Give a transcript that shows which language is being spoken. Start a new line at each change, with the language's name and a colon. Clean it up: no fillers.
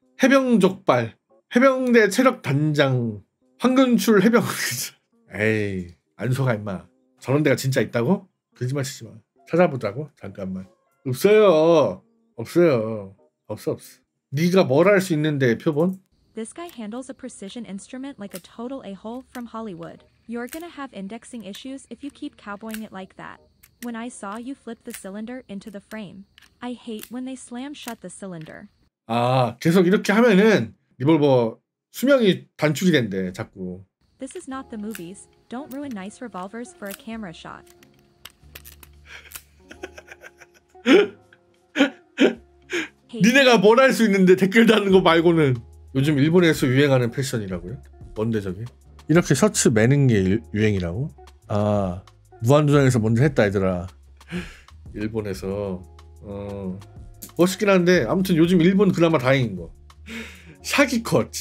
Korean: 해병족발 해병대 체력단장 황금출 해병. 에이 안 속아 임마. 저런 데가 진짜 있다고? 거짓말 치지 마. 찾아보자고? 잠깐만. 없어요. 없어. 네가 뭘 할 수 있는데 표본?
English: This guy handles a precision instrument like a total a-hole from Hollywood. You're gonna have indexing issues if you keep cowboying it like that. When I saw you flip the cylinder into the frame, I hate when they slam shut the cylinder.
Korean: 아 계속 이렇게 하면은 리볼버 수명이 단축이 된대 자꾸.
English: This is not the movies. Don't ruin nice revolvers for a camera shot.
Korean: 니네가 뭘 할 수 있는데 댓글 다는 거 말고는. 요즘 일본에서 유행하는 패션이라고요? 뭔데 저게? 이렇게 셔츠 매는 게 유행이라고? 아 무한도전에서 먼저 했다 얘들아. 일본에서 멋있긴 한데 아무튼 요즘 일본 그나마 다행인 거 샤기컷.